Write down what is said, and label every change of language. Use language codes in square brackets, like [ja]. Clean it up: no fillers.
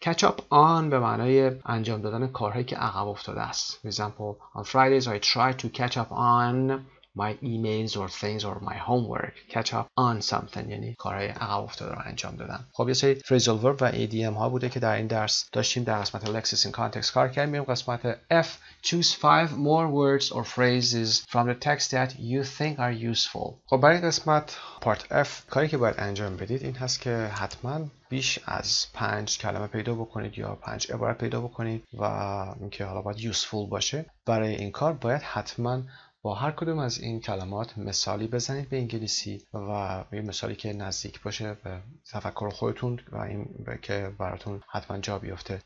[fa] catch up on به معنای انجام دادن کارهایی که عقب افتاده است. [en] For example, on Fridays I try to catch up on my emails or things or my homework. catch up on something [fa] یعنی کارهای عقب افتاده رو انجام دادم. خب یه سری phrasal verb و idiom ها بوده که در این درس داشتیم در قسمت lexis in context کار کردیم. میریم قسمت F. [en] choose 5 more words or phrases from the text that you think are useful. [fa] خب برای قسمت part F کاری که باید انجام بدید این هست که حتما بیش از 5 کلمه پیدا بکنید یا 5 عبارت پیدا بکنید و اینکه حالا باید useful باشه. برای این کار باید حتما با هر کدوم از این کلمات مثالی بزنید به انگلیسی و یه مثالی که نزدیک باشه به تفکر خودتون و این که براتون حتما جا بیفته.